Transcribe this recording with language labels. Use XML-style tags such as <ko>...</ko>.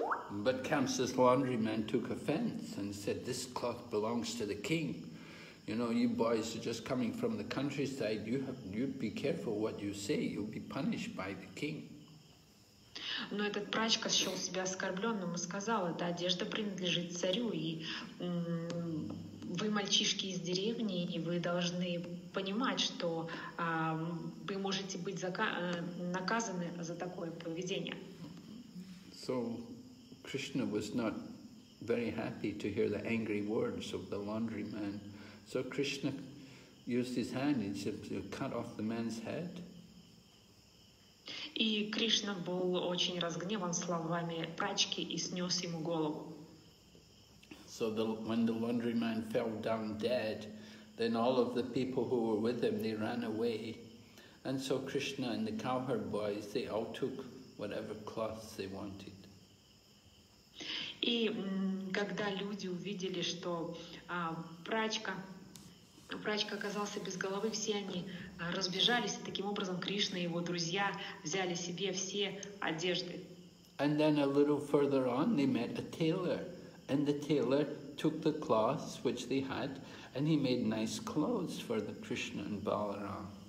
<en>But Kamsa's laundry man took offense and said, this cloth belongs to the king. You know, you boys are just coming from the countryside. You'd be careful what you say. You'll be punished by the king.</en> <ru>Но этот прачка счел себя оскорбленным и сказал, эта одежда принадлежит царю, и вы мальчишки из деревни, и вы должны понимать, что вы можете быть наказаны за такое поведение.</ru> <en>So Krishna was not very happy to hear the angry words of the laundry man. So Krishna used his hand and simply cut off the man's head.</en> <ru>И Кришна был очень разгневан словами прачки и снес ему голову.</ru> <en>So when the laundry man fell down dead, then all of the people who were with him, they ran away. And so Krishna and the cowherd boys, they all took whatever cloths they wanted.</en> <ru>И когда люди увидели, что прачка оказался без головы, все они разбежались, и таким образом Кришна и его друзья взяли себе все одежды.</ru> <en>And then a little further on they met a tailor, and the tailor took the cloths which they had, and he made nice clothes for the Krishna and Balaram.</en>